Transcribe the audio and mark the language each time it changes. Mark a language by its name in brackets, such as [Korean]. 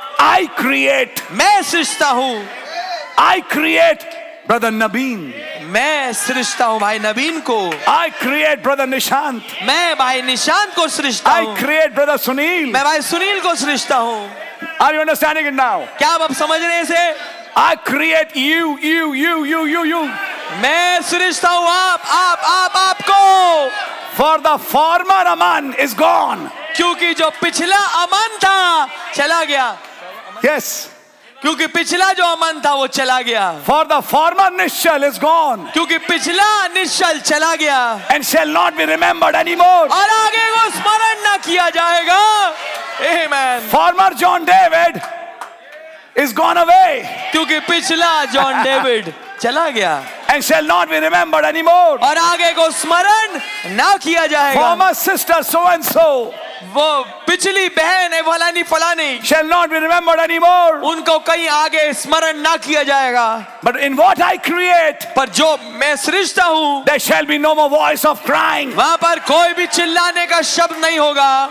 [English] I create, [Hindi] मैं सृष्टा हूं. [English] I create brother Nabin, [Hindi] मैं सृष्टा हूं भाई नबीन को. [English] I create brother Nishant, [Hindi] मैं भाई निशांत को सृष्टा हूं. [English] I create brother Sunil, [Hindi] मैं भाई सुनील को सृष्टा हूं. [English] Are you understanding it now? [Hindi] क्या आप समझ रहे हैं इसे? [English] I create you, you, you, you, you, you. [Hindi] मैं सृष्टा हूं आप आपको. [English] For the former aman is gone. [Hindi] क्योंकि जो पिछला अमन था चला गया. [English] Yes. [Hindi] क्योंकि पिछला जो अमन था वो चला गया. [English] For the former Nishchal is gone. [Hindi] क्योंकि पिछला निश्चल चला गया. [English] And shall not be remembered anymore. [Hindi] और आगे को स्मरण न किया जाएगा. [English] Amen. Former John David is gone away. [Hindi] क्योंकि पिछला John David चला गया. [English] And shall not be remembered anymore. [Hindi] और आगे को स्मरण न किया जाएगा. [English] Former sister so and so. [Hindi] वो पिछली बहन है फलानी फलानी. [English] Shall not be remembered anymore. [Hindi] उनको कहीं आगे स्मरण ना किया जाएगा. [English] But in what I create, [Hindi] पर जो मैं सृष्टा हूँ, [English] there shall be no more voice of crying. [Hindi] वहाँ पर कोई भी चिल्लाने का शब्द नहीं होगा.